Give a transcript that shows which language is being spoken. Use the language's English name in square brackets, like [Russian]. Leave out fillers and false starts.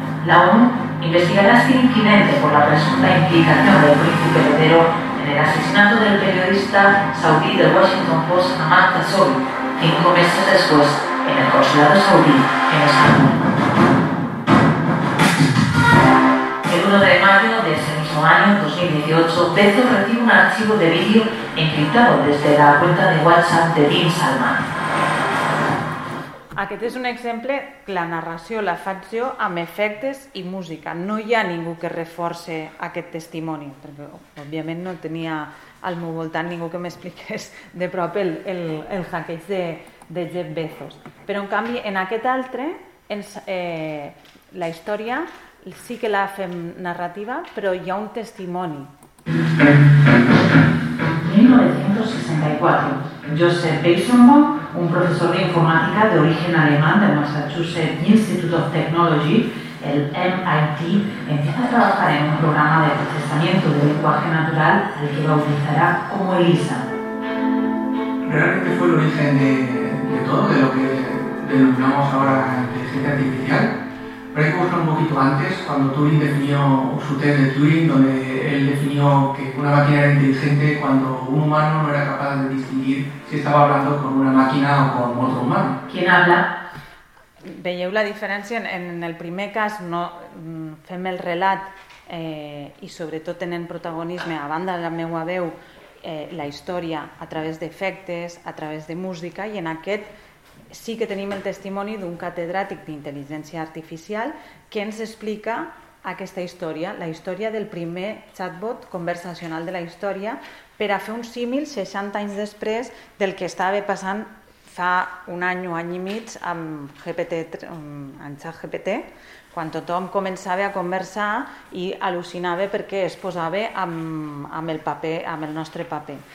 [Spanish] La ONU investigará este incidente por la presunta implicación del príncipe heredero en el asesinato del periodista saudí del Washington Post, Ahmad Khashoggi, 5 meses después en el consulado saudí en Estambul. El 1 de mayo de ese mismo año, 2018, Bezos recibe un archivo de vídeo encriptado desde la cuenta de WhatsApp de Bin Salman. [Catalan] Aquest és un exemple, la narració la faig jo amb efectes i música. No hi ha ningú que reforce aquest testimoni, perquè òbviament no tenia al meu voltant ningú que m'expliqués de prop el hackeig de Jeff Bezos. Però en canvi, en aquest altre, la història sí que la fem narrativa, però hi ha un testimoni. [Spanish] 1964. Joseph Eisenbaum, un profesor de informática de origen alemán del Massachusetts Institute of Technology, el MIT, empieza a trabajar en un programa de procesamiento de lenguaje natural al que bautizará como Elisa. ¿Realmente fue el origen de todo, de lo que denominamos ahora inteligencia artificial? Pero hay que buscar un poquito antes, cuando Turing definió su test de Turing, donde él definió que una máquina era inteligente cuando un humano no era capaz de distinguir si estaba hablando con una máquina o con otro humano. ¿Quién habla? [Catalan] Veieu la diferència? En el primer cas no fem el relat i sobretot tenen protagonisme, a banda de la meua veu, la història a través d'efectes, a través de música, i en aquest sí que tenim el testimoni d'un catedràtic d'intel·ligència artificial que ens explica aquesta història, la història del primer chatbot conversacional de la història, per a fer un símil 60 anys després del que estava passant fa un any o any i mig amb GPT, amb ChatGPT, quan tothom començava a conversar i al·lucinava perquè es posava amb el paper, amb el nostre paper.